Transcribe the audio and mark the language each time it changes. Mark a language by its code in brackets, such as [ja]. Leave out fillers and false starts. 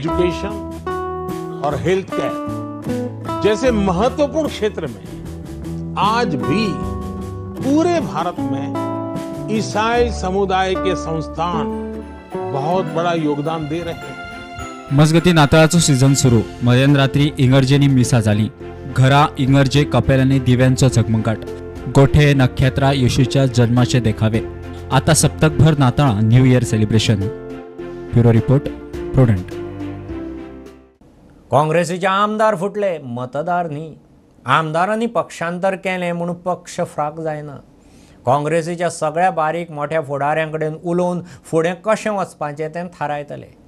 [hi] Education और health care जैसे महत्वपूर्ण क्षेत्र में आज भी पूरे भारत में ईसाई समुदाय के संस्थान बहुत बड़ा योगदान दे रहे हैं. [gom] मजगती नाताळाचो सीझन सुरू. मध्यान रात्री इंगर्जेनी मिसा झाली. घरा इंगर्जे, कपेलांनी दिव्यांचो झगमगाट, गोठे नखेत्रा येशूच्या जन्माचे देखावे. आता सप्तकभर नाताळ, new year celebration. Bureau report, prudent. काँग्रेसीचे आमदार फुटले, मतदार न्ही. आमदारांनी पक्षांतर केले म्हणून पक्ष फ्राक जायना. काँग्रेसीच्या सगळ्या बारीक मोठ्या फुडाऱ्यांकडेन उलोवन फुडें कशें वचपाचें तें थारायतले.